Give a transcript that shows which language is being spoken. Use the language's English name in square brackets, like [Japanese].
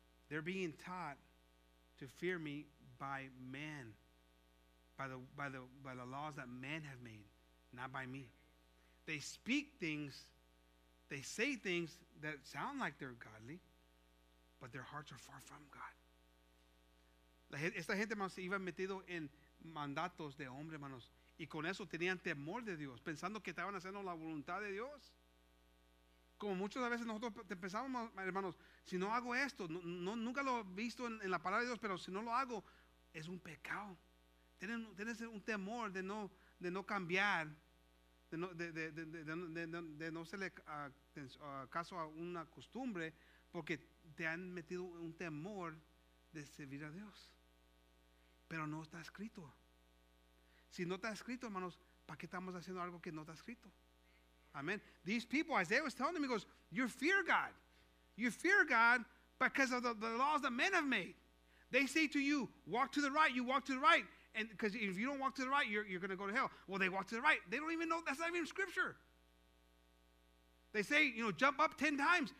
[English] They're being taught to fear me by men, by the laws that men have made, not by me. They speak things, they say things that sound like they're godly, but their hearts are far from God. [Spanish] Esta gente se iba metido en mandatos de hombre, hermanos, y con eso tenían temor de Dios, pensando que estaban haciendo la voluntad de Dios. Como muchas veces nosotros pensamos, hermanos, si no hago esto, nunca lo he visto en la palabra de Dios, pero si no lo hago, es un pecado. Tienes un temor de no cambiar, de no hacerle caso a una costumbre, porque te han metido un temor de servir a Dios. Pero no está escrito. Si no está escrito, hermanos, ¿para qué estamos haciendo algo que no está escrito? Amen. [English] These people, Isaiah was telling them, he goes, you fear God. You fear God because of the laws that men have made. They say to you, walk to the right. You walk to the right. And because if you don't walk to the right, you're going to go to hell. Well, they walk to the right. They don't even know. That's not even scripture. They say, you know, jump up 10 times.